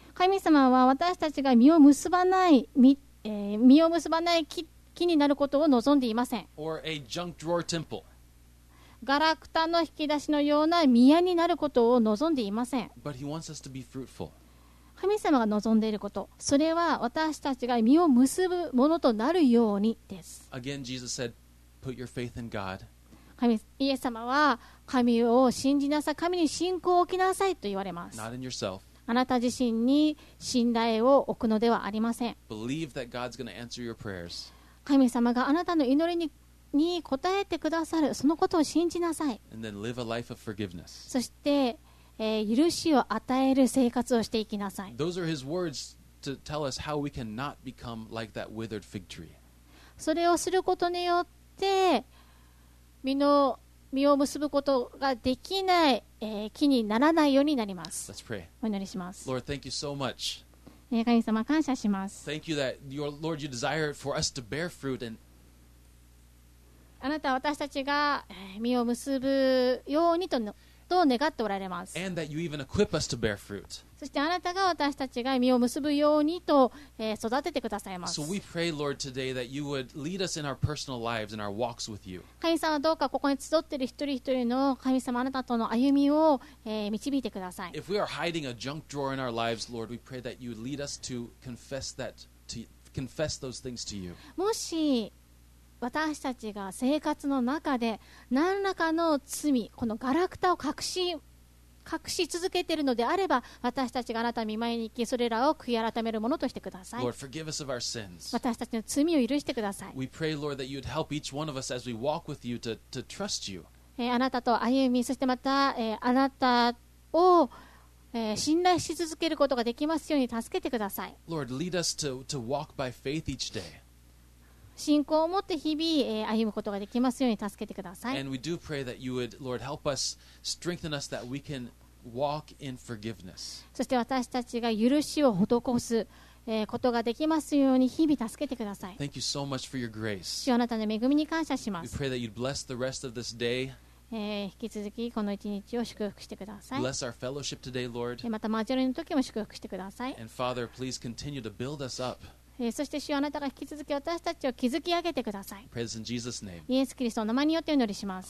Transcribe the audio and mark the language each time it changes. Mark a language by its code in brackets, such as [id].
[ja] 神様は私たちが実を結ばない、実を結ばない 木になることを望んでいません。 [en] Or a junk drawer temple. [ja] ガラクタの引き出しのような宮になることを望んでいません。 [en] But he wants us to be fruitful. [ja] 神様が望んでいること、それは私たちが実を結ぶものとなるようにです。 [en] Again, Jesus said, Put your faith in God. [ja] イエス様は神を信じなさい、神に信仰を置きなさいと言われます。 [en] Not in yourself. [ja] あなた自身に信頼を置くのではありません。 [en] Believe that God's going to answer your prayers. [ja] 神様があなたの祈りに答えてくださる、そのことを信じなさい。 [en] And then live a life of forgiveness. [ja] そして、許しを与える生活をしていきなさい。 [en] Those are his words to tell us how we cannot become like that withered fig tree. [ja] それをすることによって実を結ぶことができない、木にならないようになります。 [en] Let's pray. [ja] お祈りします。 [en] Lord, thank you so much. [ja] 神様、感謝します。 [en] Thank you that your Lord, you desire for us to bear fruit and [ja] あなたは私たちが実を結ぶようにと。と願っておられます。 [en] And that you even equip us to bear fruit. [ja] そしてあなたが私たちが実を結ぶようにと、育ててくださいます。 [en] So we pray, Lord, today that you would lead us in our personal lives and our walks with you. [ja] 神様どうかここに集っている一人一人の神様あなたとの歩みを、導いてください。 [en] If we are hiding a junk drawer in our lives, Lord, we pray that you would lead us to confess that, to confess those things to you. [ja] もし私たちが生活の中で何らかの罪、このガラクタを隠し続けているのであれば、私たちがあなたの御前に行き、それらを悔い改めるものとしてください。 [en] Lord, forgive us of our sins. [ja] 私たちの罪を許してください。 [en] We pray, Lord, that you'd help each one of us as we walk with you to trust you. [ja] あなたと歩み、そしてまた、あなたを、信頼し続けることができますように助けてください。 [en] Lord, lead us to walk by faith each day. [ja] 信仰を持って日々、歩むことができますように助けてください。 [en] And we do pray that you would, Lord, help us, strengthen us that we can walk in forgiveness. [ja] そして私たちが許しを施す、ことができますように日々助けてください。 [en] Thank you so much for your grace. [ja] 主あなたの恵みに感謝します。 [en] We pray that you'd bless the rest of this day. [ja] 引き続きこの一日を祝福してください。 [en] Bless our fellowship today, Lord. [ja] また交わりの時も祝福してください。 [en] And Father, please continue to build us up. [ja] そして主よあなたが引き続き私たちを築き上げてください。 [en] Praise in Jesus' name. [ja] イエス・キリストの名前によってお祈りします。